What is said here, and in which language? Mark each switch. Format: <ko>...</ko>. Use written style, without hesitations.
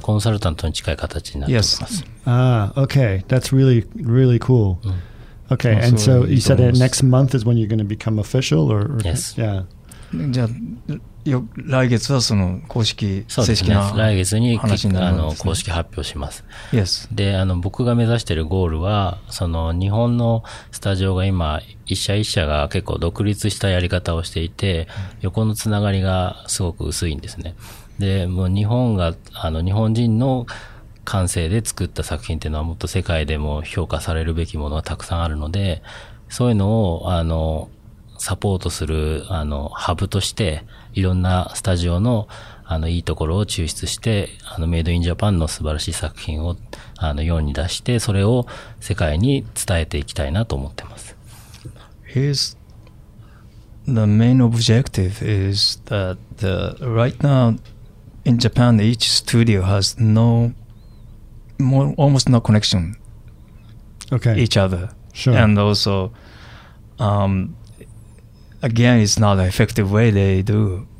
<ja>コンサルタントに近い形になってます。</ja> <en>Yes. Okay. That's really, really cool. Okay, and so you said that next month is when you're going to become official, or yes, yeah.</en> <ja>じゃあ来月はその公式正式な話になるんですね。そうですね。来月にあの公式発表します。</ja> <en>Yes.</en> <ja>で、あの僕が目指しているゴールは、その日本のスタジオが今一社一社が結構独立したやり方をしていて、横のつながりがすごく薄いんですね。で、もう日本があの日本人の完成で作った作品っていうのはもっと世界でも評価されるべきものはたくさんあるので、そういうのを、あの、サポートするあのハブとしていろんなスタジオのあのいいところを抽出してあのメイドインジャパンの素晴らしい作品をあの世に出してそれを世界に伝えていきたいなと思ってます。</ja> <en>His the main objective is that the, right now in Japan each studio has no more, almost no connection. Okay. Each other. Sure. And also, again, it's not an effective way they do.</en>